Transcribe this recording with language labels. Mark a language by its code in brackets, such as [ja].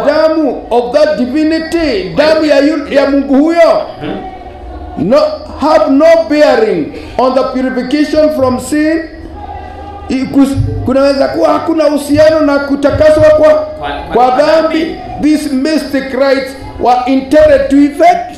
[en] damu of that divinity, [sw] damu ya ya Mungu huyo, [en] no, have no bearing on the purification from sin? [sw] Kunaweza kuwa hakuna uhusiano na kutakaswa kwa dhambi? [en] This mystic rites were intended to effect.